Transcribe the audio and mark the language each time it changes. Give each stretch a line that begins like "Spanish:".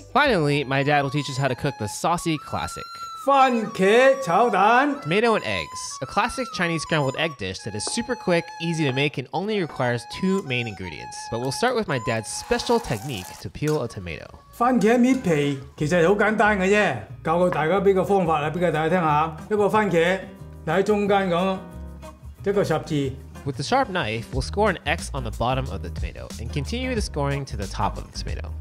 English: Finally, my dad will teach us how to cook the saucy classic.
Cantonese: 番茄炒蛋
English: Tomato and eggs. A classic Chinese scrambled egg dish that is super quick, easy to make, and only requires two main ingredients. But we'll start with my dad's special technique to peel a tomato.
Cantonese: 番茄搣皮其實好簡單嘅啫，教過大家邊個方法啦，俾佢大家聽下。一個番茄，喺中間咁，一個十字。
English: With the sharp knife, we'll score an X on the bottom of the tomato, and continue the scoring to the top of the tomato.